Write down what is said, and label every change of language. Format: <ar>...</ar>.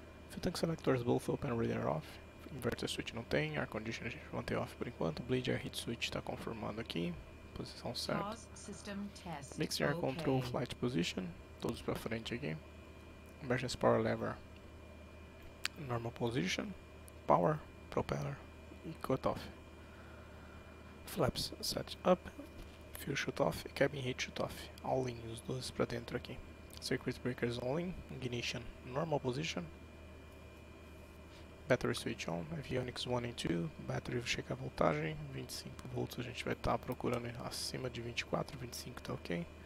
<en>Fuel tank selectors both open, radiator off. Inverter switch</en> <pt>não tem, ar conditioner a gente mantém off por enquanto.</pt> <en>Bleed air heat switch</en> <pt>está confirmando aqui, posição certa.</pt> <en>Mixer air control flight position,</en> <pt>todos para frente aqui.</pt> <en>Emergency power lever, normal position. Power, propeller e cut off. Flaps set up, fuel shoot off e cabin heat shoot off. All in,</en> <pt>os dois para dentro aqui.</pt> <en>Circuit breakers all in, ignition normal position. Battery switch on, avionics 1 and 2,</en> <pt>battery checa a voltagem, 25 volts a gente vai estar procurando acima de 24, 25 tá ok.</pt>